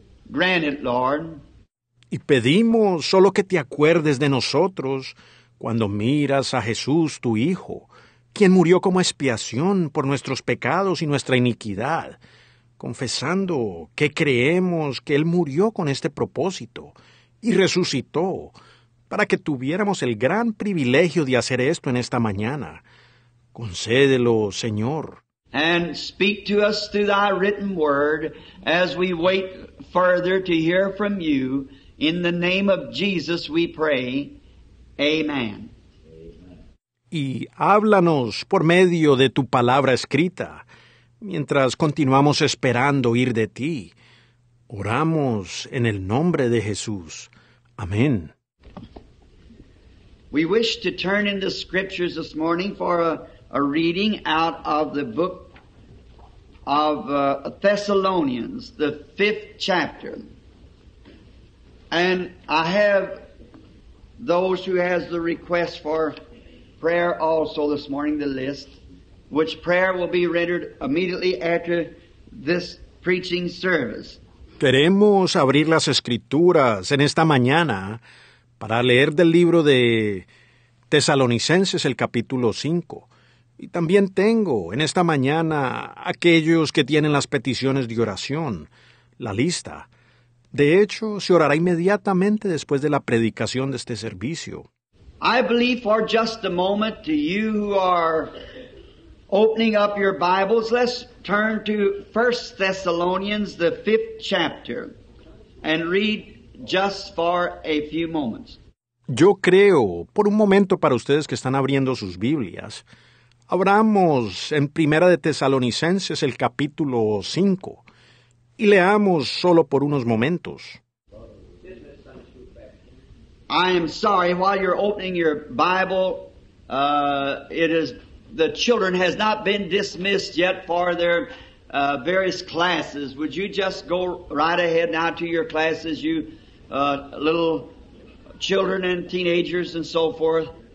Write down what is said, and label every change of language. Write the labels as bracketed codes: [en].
[en] Grant it, Lord. [es] Y pedimos solo que te acuerdes de nosotros cuando miras a Jesús, tu Hijo, quien murió como expiación por nuestros pecados y nuestra iniquidad, confesando que creemos que Él murió con este propósito y resucitó para que tuviéramos el gran privilegio de hacer esto en esta mañana. Concédelo, Señor. [en] And speak to us through thy written word as we wait further to hear from you. In the name of Jesus we pray. Amen. [es] Y háblanos por medio de tu palabra escrita, mientras continuamos esperando oír de ti. Oramos en el nombre de Jesús. Amén. [en] We wish to turn in the scriptures this morning for a reading out of the book of Thessalonians, the 5th chapter. And I have those who has the request for prayer also this morning, the list, which prayer will be rendered immediately after this preaching service. [es] Queremos abrir las escrituras en esta mañana para leer del libro de Tesalonicenses, el capítulo 5. Y también tengo en esta mañana aquellos que tienen las peticiones de oración, la lista. De hecho, se orará inmediatamente después de la predicación de este servicio. [en] I believe for just a moment to you who are opening up your Bibles, let's turn to 1 Thessalonians, the 5th chapter, and read just for a few moments. [es] Yo creo, por un momento para ustedes que están abriendo sus Biblias, abramos en Primera de Tesalonicenses el capítulo 5 y leamos solo por unos momentos. [en] I am sorry, while you're opening your Bible, the children has not been dismissed yet for their various classes. Would you just go right ahead now to your classes, you little children and teenagers and so forth?